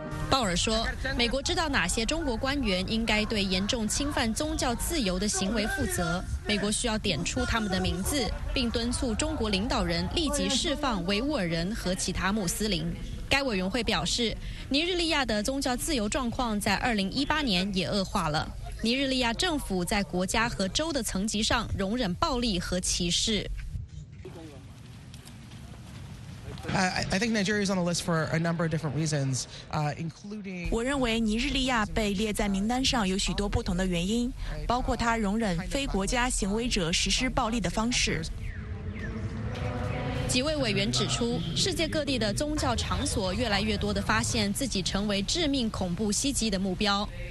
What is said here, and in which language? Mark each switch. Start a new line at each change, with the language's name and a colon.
Chinese: 鲍尔说，美国知道哪些中国官员应该对严重侵犯宗教自由的行为负责，美国需要点出他们的名字，并敦促中国领导人立即释放维吾尔人和其他穆斯林。该委员会表示，尼日利亚的宗教自由状况在2018年也恶化了，尼日利亚政府在国家和州的层级上容忍暴力和歧视。
English: I think Nigeria is on the list for a number of different reasons, including.
Chinese: 我认为尼日利亚被列在名单上有许多不同的原因，包括它容忍非国家行为者实施暴力的方式。几位委员指出，世界各地的宗教场所越来越多地发现自己成为致命恐怖袭击的目标。